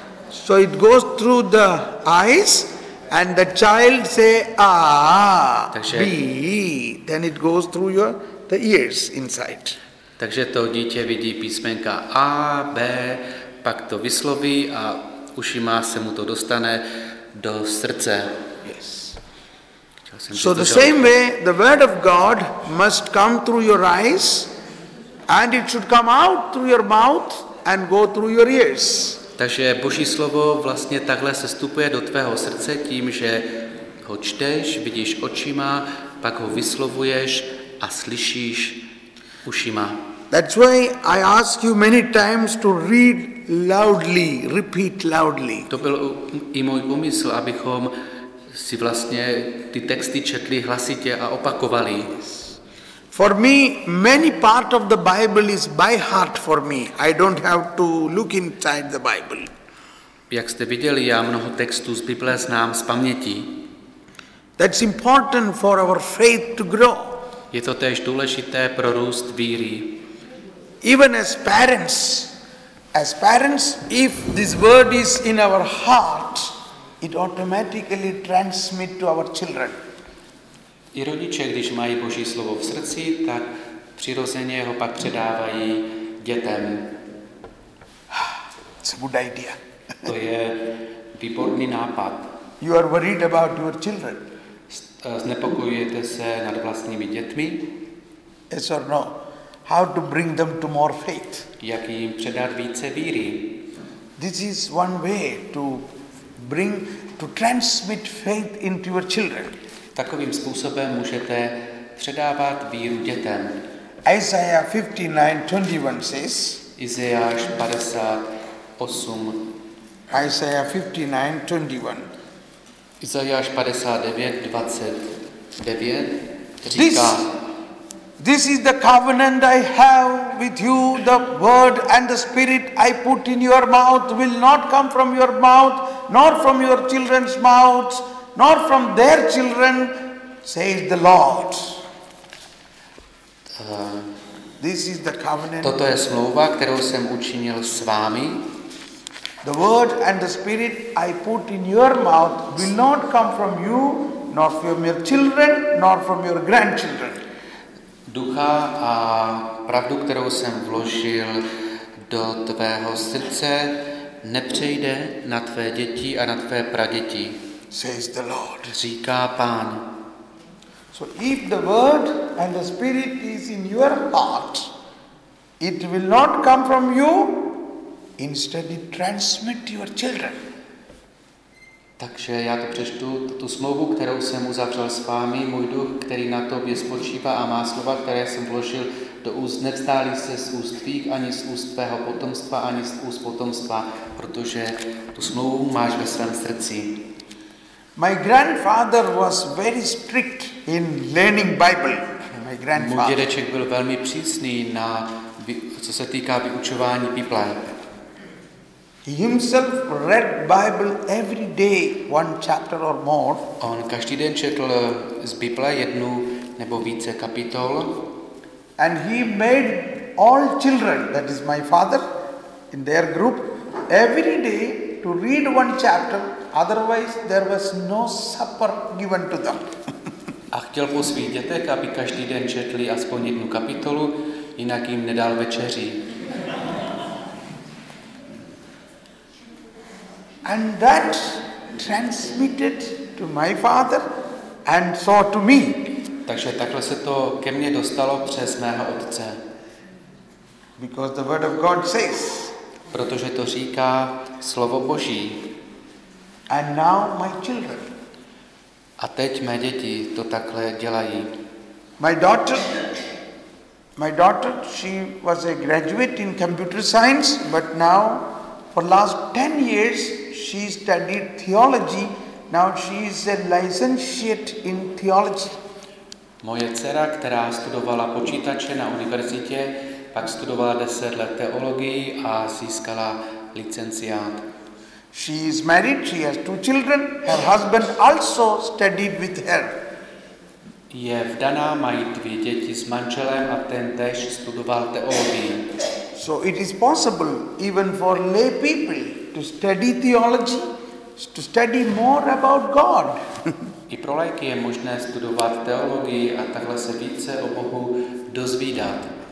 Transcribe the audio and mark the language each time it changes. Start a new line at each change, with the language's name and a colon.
English: So it goes through the eyes and the child say A,
Czech: takže,
English: B, then it goes through your the ears inside.
Czech: Takže to dítě vidí písmenka A, B, pak to vysloví a ušima se mu to dostane do srdce.
English: Yes. So the same way the word of God must come through your eyes and it should come out through your mouth and go through your ears.
Czech: Takže Boží slovo vlastně takhle sestupuje do tvého srdce tím, že ho čteš, vidíš očima, pak ho vyslovuješ a slyšíš ušima.
English: That's why I ask you many times to read loudly, repeat loudly.
Czech: To byl i můj úmysl, abychom si vlastně ty texty četli hlasitě a opakovali.
English: For me, many part of the Bible is by heart for me. I don't have to look inside the Bible.
Czech: Jak jste viděli, já mnoho textů z Bible znám z paměti.
English: That's important for our faith to grow.
Czech: Je to též důležité pro růst víry.
English: Even as parents, if this word is in our heart, it automatically transmits to our children.
Czech: I rodiče, když mají Boží slovo v srdci, tak přirozeně ho pak předávají dětem.
English: It's a good idea.
Czech: To je výborný nápad.
English: You are worried about your children.
Czech: Znepokojujete se nad vlastními dětmi?
English: Yes or no? How to bring them to more faith?
Czech: Jak jim předat více víry?
English: This is one way to bring, to transmit faith into your children.
Czech: Takovým způsobem můžete předávat víru dětem.
English: Isaiah 59:21 says.
Czech: Izajáš 58.
English: Isaiah 59:21.
Czech: Izajáš 59:29 říká.
English: This is the covenant I have with you, the word and the spirit I put in your mouth will not come from your mouth, nor from your children's mouths, nor from their children, says the Lord. This is the covenant.
Czech: Toto je smlouva, kterou jsem učinil s vámi.
English: The word and the spirit I put in your mouth will not come from you, nor from your children, nor from your grandchildren.
Czech: Ducha a pravdu, kterou jsem vložil do tvého srdce, nepřejde na tvé děti a na tvé praděti,
English: says the Lord.
Czech: Říká Pán.
English: So if the word and the spirit is in your heart, it will not come from you, instead it transmit to your children.
Czech: Takže já to přečtu, tu smlouvu, kterou jsem uzavřel s vámi, můj duch, který na tobě spočívá a má slova, které jsem vložil do úst, nevzdálí se z úst tvých, ani z úst tvého potomstva, ani z úst potomstva, protože tu smlouvu máš ve svém srdci.
English: My grandfather was very strict in learning Bible. My grandfather.
Czech: Můj dědeček byl velmi přísný na, co se týká vyučování Bible.
English: He himself read Bible every day one chapter or more.
Czech: On každý den četl z Bible jednu nebo více kapitol.
English: And he made all children, that is my father, in their group, every day to read one chapter, otherwise there was no supper given to them.
Czech: A chtěl po svých dětech, aby každý den četli aspoň jednu kapitolu, jinak jim nedal večeři.
English: And that transmitted to my father and so to me.
Czech: Takže takhle se to ke mně dostalo přes mého otce.
English: Because the word of God says.
Czech: Protože to říká slovo Boží.
English: And now my children.
Czech: A teď mé děti to takhle dělají.
English: My daughter, she was a graduate in computer science, but now for last 10 years she studied theology. Now she is a licentiate in theology.
Czech: Moje dcera, která studovala počítače na univerzitě, pak studovala 10 let teologii a získala licenciát.
English: She is married. She has two children. Her husband also studied with her.
Czech: Je vdaná, mají dvě děti s manželem a ten též studoval teologii.
English: So it is possible even for lay people to study theology, to study more about God.
Czech: I pro lajky je možné studovat teologii a takhle se více o Bohu dozvídat.